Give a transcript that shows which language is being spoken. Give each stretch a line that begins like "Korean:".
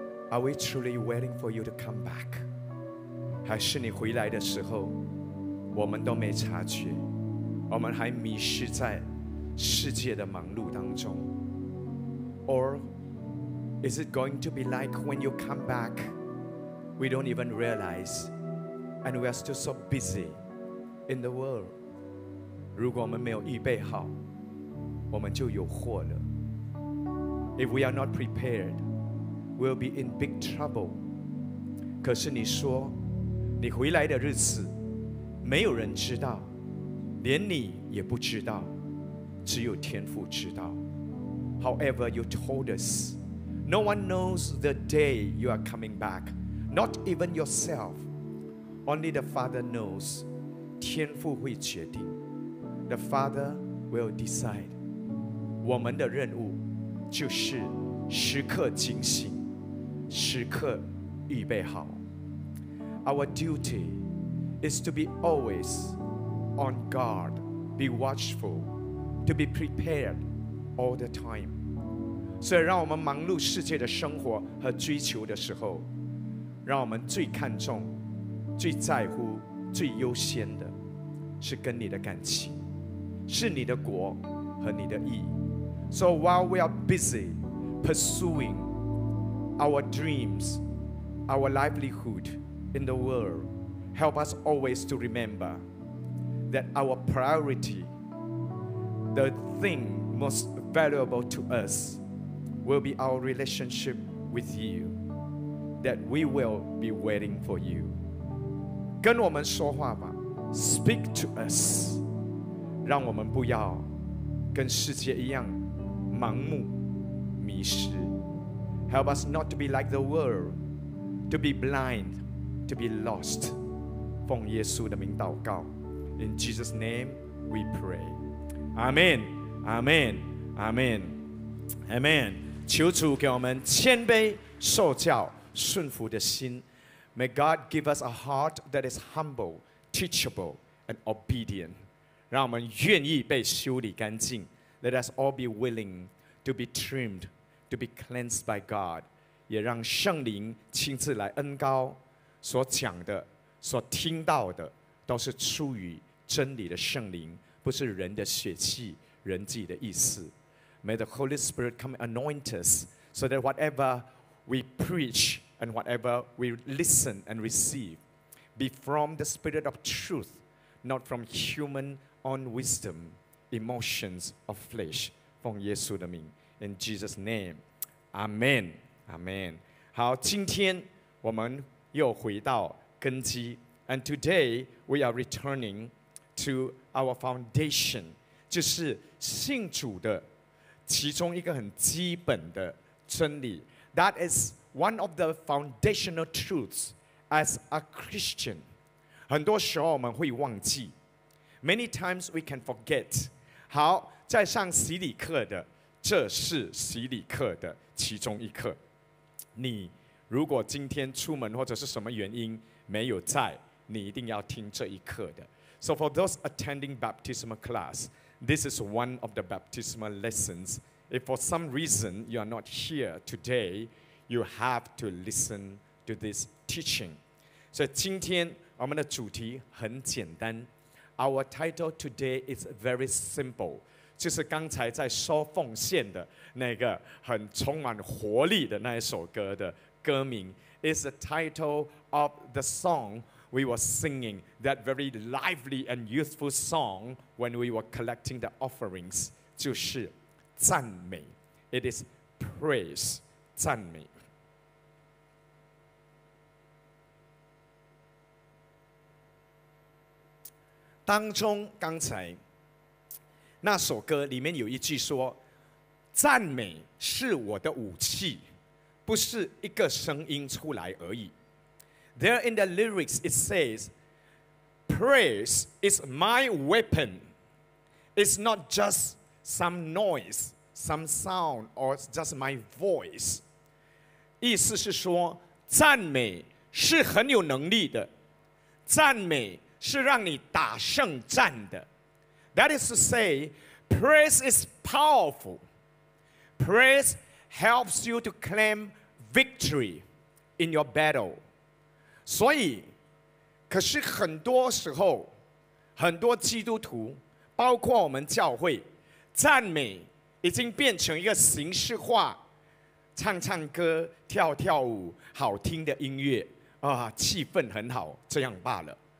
English: Are we truly waiting for you to come back?
Chinese: 还是你回来的时候，我们都没察觉，我们还迷失在世界的忙碌当中？
English: Or is it going to be like when you come back, we don't even realize, and we are still so busy in the world?
Chinese: 如果我们没有预备好，我们就有祸了。
English: If we are not prepared, we'll be in big trouble.
Chinese: 可是你说，你回来的日子，没有人知道，连你也不知道，只有天父知道。
English: However, you told us, no one knows the day you are coming back, not even yourself. Only the Father knows.
Chinese: 天父会决定。
English: The Father will decide.
Chinese: 我们的任务就是时刻警醒，时刻预备好。
English: Our duty is to be always on guard, be watchful, to be prepared all the time.
Chinese: 所以让我们忙碌世界的生活和追求的时候，让我们最看重、最在乎、最优先的是跟你的感情，是你的国和你的义。
English: So while we are busy pursuing our dreams, our livelihood in the world, help us always to remember that our priority, the thing most valuable to us, will be our relationship with you, that we will be waiting for you.
Chinese: 跟我们说话吧，
English: speak to us,
Chinese: 让我们不要跟世界一样盲目迷失。
English: Help us not to be like the world, to be blind, to be lost.
Chinese: 奉耶稣的名祷告，
English: In Jesus' name we pray. Amen, Amen, Amen, Amen.
Chinese: 求主给我们谦卑受教顺服的心。
English: May God give us a heart that is humble, teachable, and obedient.
Chinese: 让我们愿意被修理干净。
English: Let us all be willing to be trimmed, to be cleansed by God.
Chinese: 也让圣灵亲自来恩膏，所讲的、所听到的，都是出于真理的圣灵，不是人的血气、人自己的意思。
English: May the Holy Spirit come anoint us, so that whatever we preach and whatever we listen and receive, be from the Spirit of truth, not from human own wisdom. Emotions of flesh,
Chinese: 奉耶稣的名
English: ，in Jesus' name, Amen, Amen.
Chinese: 好，今天我们又回到根基 ，
English: and today we are returning to our foundation,
Chinese: 就是信主的其中一个很基本的真理。
English: That is one of the foundational truths as a Christian.
Chinese: 很多时候我们会忘记 ，
English: many times we can forget.
Chinese: 好，在上洗礼课的，这是洗礼课的其中一课。你如果今天出门或者是什么原因没有在，你一定要听这一课的。
English: So for those attending baptismal class, this is one of the baptismal lessons. If for some reason you are not here today, you have to listen to this teaching.
Chinese: 所以今天我们的主题很简单。
English: Our title today is very simple,
Chinese: 就是刚才在收奉献的那个很充满活力的那一首歌的歌名
English: is the title of the song we were singing, that very lively and youthful song when we were collecting the offerings,
Chinese: 就是赞美
English: It is praise,
Chinese: 赞美当中刚才那首歌里面有一句说赞美是我的武器不是一个声音出来而已
English: There in the lyrics it says praise is my weapon. It's not just some noise, some sound, or just my voice.
Chinese: 意思是说，赞美是很有能力的，赞美是让你打胜战的。
English: That is to say, praise is powerful. Praise helps you to claim victory in your battle.
Chinese: 所以，可是很多时候，很多基督徒，包括我们教会，赞美已经变成一个形式化，唱唱歌、跳跳舞、好听的音乐啊，气氛很好，这样罢了。